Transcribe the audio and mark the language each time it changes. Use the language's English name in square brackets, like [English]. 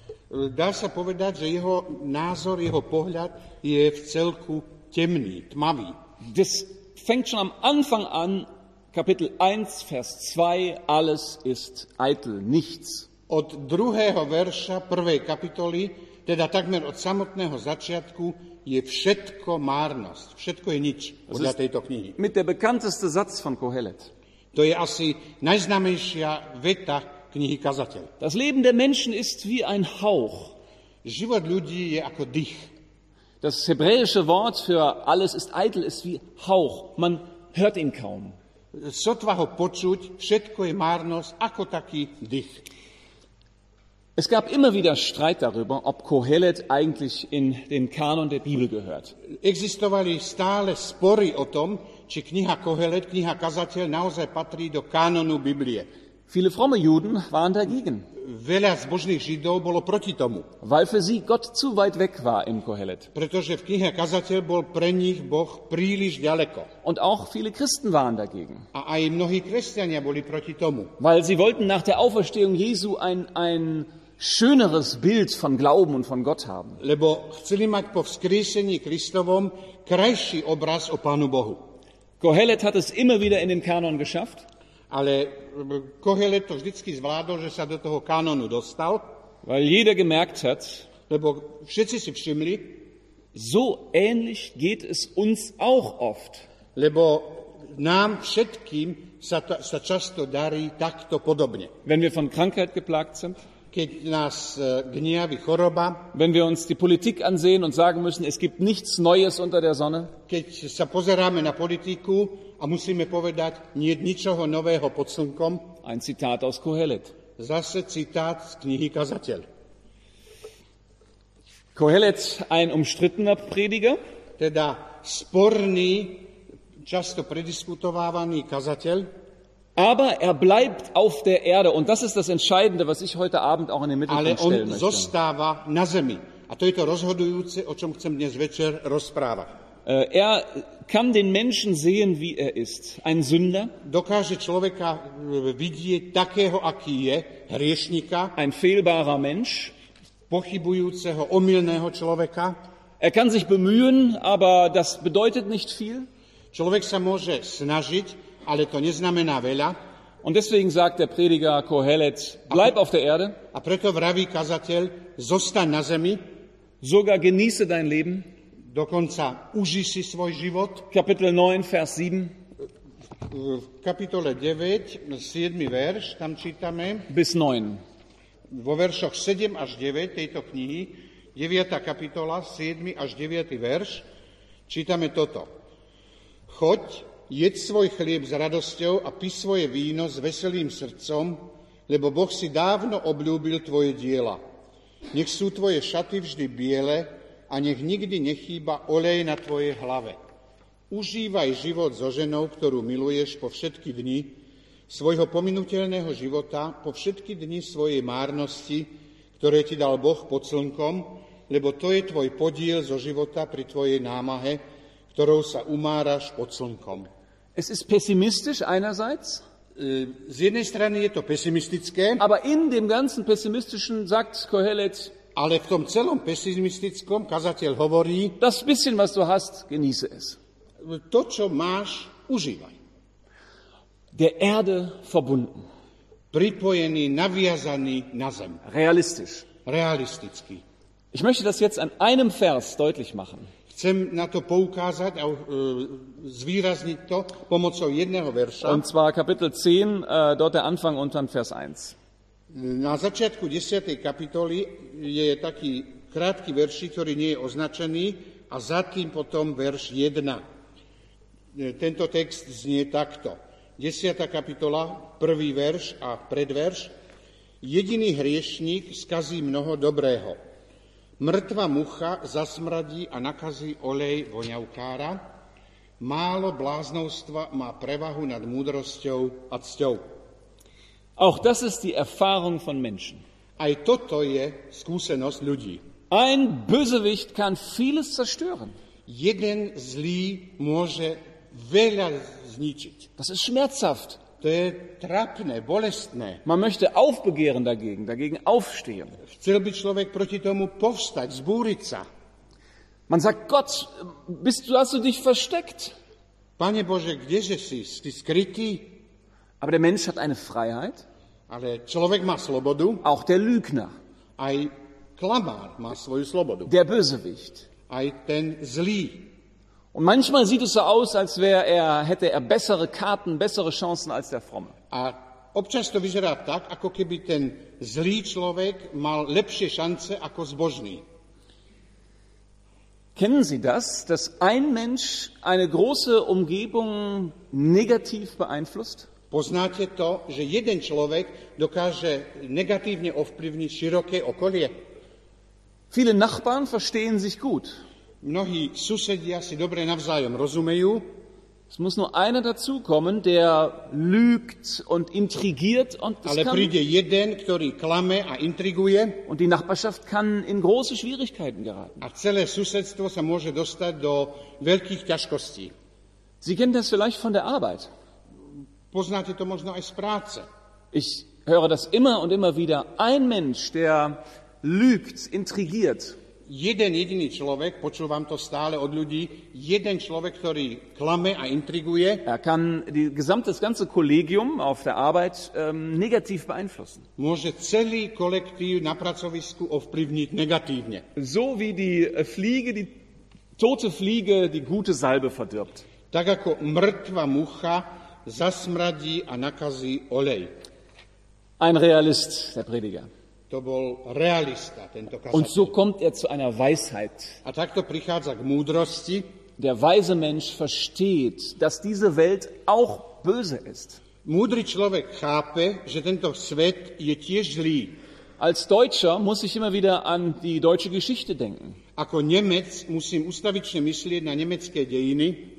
[Slovak] Dá sa povedať, že jeho názor, jeho pohľad je v celku temný, tmavý. [German] Das fängt schon am Anfang an, Kapitel 1, Vers 2, alles ist eitel, nichts. [Slovak] Od druhého verša prvej kapitoly, teda takmer od samotného začiatku, je všetko márnosť, všetko je nič podľa tejto knihy. [German] Mit der bekannteste Satz von Kohelet. [Slovak] To je asi najznámejšia veta knihy Kazateľ. [German] Das Leben der Menschen ist wie ein Hauch. [Slovak] Život ľudí je ako dych. [German] Das hebräische Wort für alles ist eitel, ist wie Hauch. Man hört ihn kaum. [Slovak] Sotva ho počuť, všetko je márnosť, ako taký dych. [German] Es gab immer wieder Streit darüber, ob Kohelet eigentlich in den Kanon der Bibel gehört. [Slovak] Existovali stále spory o tom, či kniha Kohelet, kniha Kazateľ, naozaj patrí do kanonu Biblie. [German] Viele fromme Juden waren dagegen. [Slovak] Veľa zbožných Židov bolo proti tomu. [German] Weil für sie Gott zu weit weg war im Kohelet. [Slovak] Pretože v knihe Kazateľ bol pre nich Boh príliš ďaleko. [German] Und auch viele Christen waren dagegen. [Slovak] A aj mnohí kresťania boli proti tomu. [German] Weil sie wollten nach der Auferstehung Jesu ein schöneres Bild von Glauben und von Gott haben. [Slovak] Lebo chceli mať po vzkriesení Kristovom krajší obraz o Pánu Bohu. [German] Kohelet hat es immer wieder in den Kanon geschafft. [Slovak] Ale Kohelet to vždycky zvládol, že sa do toho kanonu dostal. [German] Weil jeder gemerkt hat, [Slovak] lebo všetci si všimli, [German] so ähnlich geht es uns auch oft. [Slovak] Lebo nám všetkým sa často darí takto podobne. [German] Wenn wir von Krankheit geplagt sind, [Slovak] keď nás gniaví choroba, [German] wenn wir uns die Politik ansehen und sagen müssen, es gibt nichts Neues unter der Sonne, [Slovak] keď sa pozeráme na politiku a musíme povedať, nie ničoho nového pod slnkom. [German] Ein Zitat aus Kohelet. [Slovak] Zase citát z knihy Kazateľ. [German] Kohelet, ein umstrittener Prediger, [Slovak] teda sporný, často prediskutovávaný kazateľ. [German] Aber er bleibt auf der Erde. Und das ist das Entscheidende, was ich heute Abend auch in den Mittelpunkt stellen möchte. [Slovak] Ale on zostáva na zemi. A to je to rozhodujúce, o čom chcem dnes večer rozprávať. [German] Er kann den Menschen sehen, wie er ist. Ein Sünder. [Slovak] Dokáže človeka vidieť takého, aký je, hriešnika. [German] Ein fehlbarer Mensch. [Slovak] Pochybujúceho, omylného človeka. [German] Er kann sich bemühen, aber das bedeutet nicht viel. [Slovak] Človek sa môže snažiť, ale to neznamená veľa. [German] Und deswegen sagt der Prediger Kohelet, bleib auf der Erde. [Slovak] A preto vraví kazateľ, zostaň na zemi. [German] Sogar genieße dein Leben. [Slovak] Dokonca uži si svoj život. [German] Kapitel 9, Vers 7. [Slovak] V kapitole 9, 7. verš, tam čítame. [German] Bis 9. [Slovak] Vo veršoch 7 až 9 tejto knihy, 9. kapitola, 7. až 9. verš, čítame toto. Choď, jed svoj chlieb s radosťou a pi svoje víno s veselým srdcom, lebo Boh si dávno obľúbil tvoje diela. Nech sú tvoje šaty vždy biele a nech nikdy nechýba olej na tvojej hlave. Užívaj život so ženou, ktorú miluješ po všetky dni svojho pominuteľného života, po všetky dni svojej márnosti, ktoré ti dal Boh pod slnkom, lebo to je tvoj podiel zo života pri tvojej námahe, ktorou sa umáraš pod slnkom. [German] Es ist pessimistisch einerseits. [Slovak] Z jednej strany je to pessimistické. [German] Aber in dem ganzen pessimistischen sagt Kohelet. [Slovak] Ale v tom celom pessimistickom kazateľ hovorí. [German] Das bisschen, was du hast, genieße es. [Slovak] To, čo máš, užívaj. [German] Der Erde verbunden. [Slovak] Pripojený, naviazaný na zem. [German] Realistisch. [Slovak] Realistický. [German] Ich möchte das jetzt an einem Vers deutlich machen. [Slovak] Chcem na to poukázať a zvýrazniť to pomocou jedného verša. [German] Und zwar Kapitel 10, dort der Anfang unter Vers 1. [Slovak] Na začiatku 10. kapitoly je taký krátky verš, ktorý nie je označený, a za tým potom verš 1. Tento text znie takto. 10. kapitola, prvý verš a predverš. Jediný hriešník skazí mnoho dobrého. Mŕtva mucha zasmradí a nakazí olej voňavkára. Málo bláznovstva má prevahu nad múdrosťou a cťou. [German] Auch das ist die Erfahrung von Menschen. [Slovak] Aj toto je skúsenosť ľudí. [German] Ein Bösewicht kann vieles zerstören. [Slovak] Jeden zlý môže veľa zničiť. [German] Das ist schmerzhaft. [Slovak] To je trapné, bolestné. [German] Man möchte aufbegehren dagegen, dagegen aufstehen. [Slovak] Chcel by človek proti tomu povstať, zbúriť sa. [German] Man sagt, Gott, hast du dich versteckt? [Slovak] Pane Bože, kdeže si? Si skrytý? [German] Aber der Mensch hat eine Freiheit. [Slovak] Ale človek má slobodu. [German] Auch der Lügner. [Slovak] Aj klamár má svoju slobodu. [German] Der Bösewicht. [Slovak] Aj ten zlý. [German] Und manchmal sieht es so aus, als wäre er hätte er bessere Karten, bessere Chancen als der Fromme. [Slovak] A občas to vyzerá tak, ako keby ten zlý človek mal lepšie šance ako zbožný. [German] Kennen Sie das, dass ein Mensch eine große Umgebung negativ beeinflusst? [Slovak] Poznáte to, že jeden človek dokáže negatívne ovplyvniť široké okolie? [German] Viele Nachbarn verstehen sich gut. [Slovak] Mnohí susedia si dobre navzájom rozumejú. [German] Es muss nur einer dazu kommen, der lügt und intrigiert und [Slovak] das Ale príde jeden, ktorý klame a intriguje. [German] Und die Nachbarschaft kann in große Schwierigkeiten geraten. [Slovak] A celé susedstvo sa môže dostať do veľkých ťažkostí. [German] Sie kennen das vielleicht von der Arbeit. [Slovak] Poznáte to možno aj z práce. [German] Ich höre das immer und immer wieder. Ein Mensch, der lügt, intrigiert. [Slovak] Jeden jediný človek, počúvam to stále od ľudí, jeden človek, ktorý klame a intriguje, [German] er kann das ganze Kollegium auf der Arbeit negativ beeinflussen. [Slovak] Môže celý kolektív na pracovisku ovplyvniť negatívne. [German] So wie die Fliege, die tote Fliege, die gute Salbe verdirbt. [Slovak] Tak ako mŕtva mucha zasmradí a nakazí olej. [German] Ein Realist, der Prediger. [Slovak] To bol realista, tento kazateľ. [German] Und so kommt er zu einer Weisheit. [Slovak] A takto prichádza k múdrosti. [German] Der weise Mensch versteht, dass diese Welt auch böse ist. [Slovak] Múdry človek chápe, že tento svet je tiež zlý. [German] Als Deutscher muss ich immer wieder an die deutsche Geschichte denken. [Slovak] Ako Nemec musím ustavične myslieť na nemecké dejiny.